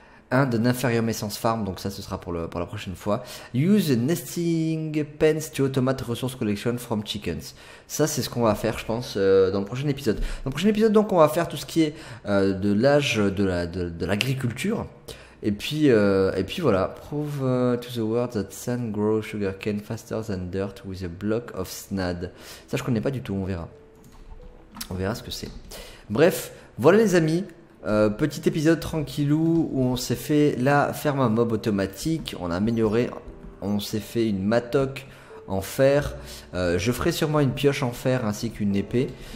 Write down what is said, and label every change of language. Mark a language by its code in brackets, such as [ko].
[fr] Un de Aferium Essence Farm, donc ça ce sera pour la prochaine fois. [en] Use nesting pens to automate resource collection from chickens. [fr] Ça c'est ce qu'on va faire, je pense, dans le prochain épisode. Dans le prochain épisode, donc, on va faire tout ce qui est de l'âge de l'agriculture. Et puis voilà. [en] Prove to the world that sand grows sugarcane faster than dirt with a block of snad. [fr] Ça, je connais pas du tout, on verra. On verra ce que c'est. Bref, voilà les amis. Petit épisode tranquillou où on s'est fait la ferme à mob automatique. On a amélioré. On s'est fait une mattock en fer. Je ferai sûrement une pioche en fer ainsi qu'une épée.